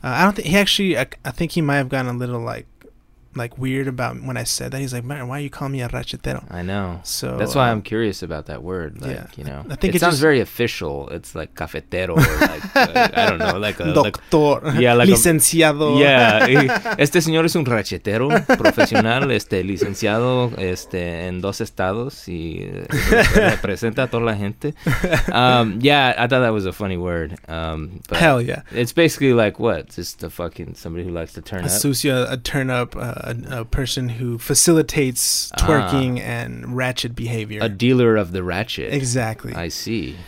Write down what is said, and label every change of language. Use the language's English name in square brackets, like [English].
[English] I think he might have gotten a little like weird about when I said that. He's like, man, why are you calling me a ratchetero? I know. So that's why I'm curious about that word. Like, yeah. You know, I think it sounds just very official. It's like cafetero, or like I don't know, like a doctor. Licenciado. [Spanish] Este señor es un ratchetero profesional, licenciado, en dos estados, y representa a toda la gente. [English] Yeah, I thought that was a funny word. But hell yeah. It's basically like what? Just a fucking somebody who likes to turn up. A person who facilitates twerking and ratchet behavior. A dealer of the ratchet. Exactly. I see.